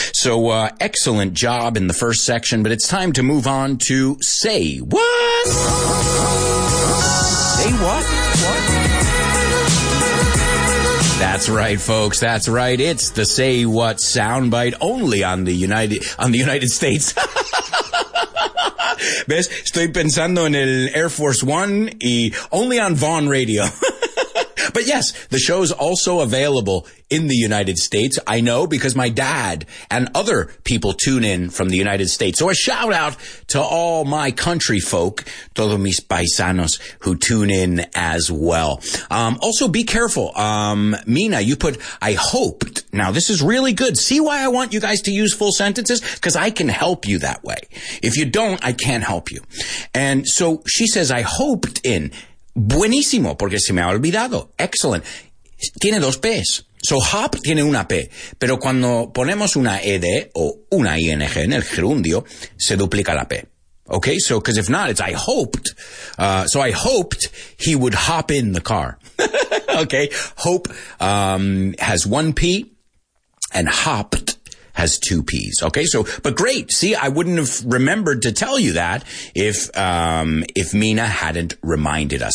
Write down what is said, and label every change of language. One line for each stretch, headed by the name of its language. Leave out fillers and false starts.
English: So, excellent job in the first section, but it's time to move on to say what? Say what? What? That's right, folks. That's right. It's the say what soundbite only on the United States.
Spanish: ¿Ves? Estoy pensando en el Air Force One y only on Vaughn Radio.
English: But yes, the show's also available in the United States. I know because my dad and other people tune in from the United States. So a shout out to all my country folk, todos mis paisanos, who tune in as well. Also, be careful. Mina, you put, I hoped. Now, this is really good. See why I want you guys to use full sentences? Because I can help you that way. If you don't, I can't help you. And so she says, I hoped in. Buenísimo, porque se me ha olvidado. Excellent. Tiene dos P's.
Spanish: So hop tiene una P. Pero cuando ponemos una ED o una ING en el gerundio, se duplica la P.
English: Okay, so because if not, it's I hoped. So I hoped he would hop in the car. Okay, hope has one P and hopped has two P's. Okay, so, but great. See, I wouldn't have remembered to tell you that if Mina hadn't reminded us.